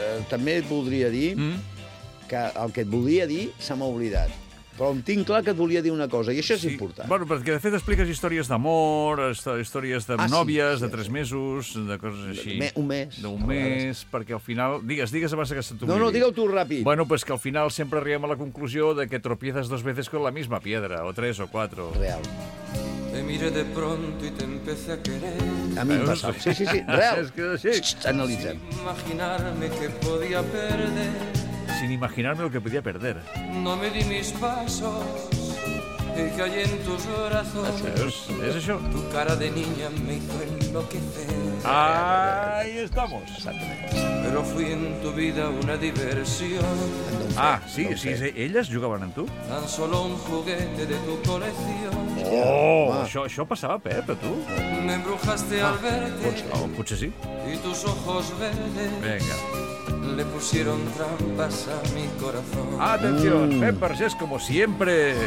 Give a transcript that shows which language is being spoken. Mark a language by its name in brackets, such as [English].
[Catalan] També et voldria dir que el que et volia dir se m'ha oblidat. Però em tinc clar que et volia dir una cosa, i això és important. Bueno, perquè de fet expliques històries d'amor, històries de nòvies, de 3 mesos, de coses així. Un mes, perquè al final... Digues abans que se t'oblidi. No, digue-ho tu ràpid. Bueno, pues que al final sempre arribem a la conclusió de que [Spanish] tropiezas [Catalan] 2 vegades [Spanish] con la misma piedra, [Catalan] o 3 o 4. Real. [Spanish] Te miré de pronto y te empecé a querer. [Catalan] A mi em passa. Sí, real. És que sí. Analitzem. Imaginar-me que podia perder... [Spanish] Sin imaginarme lo que podía perder. No me di mis pasos y caí en tus brazos. ¿Es eso? Tu cara de niña me hizo enloquecer. ¡Ah! ahí estamos. [Catalan] Exactament. [Spanish] Pero fui en tu vida una diversión. [Catalan] Ah, sí, sí, sí, elles jugaven amb tu? [Spanish] Tan solo un juguete de tu colección. [Catalan] Oh, oh, això passava, Pep, a tu. [Spanish] Me embrujaste al verte. [Catalan] Potser sí. [Spanish] Y tus ojos verdes. Venga. Le pusieron trampas a mi corazón. Atención, Pep Vergés, como siempre.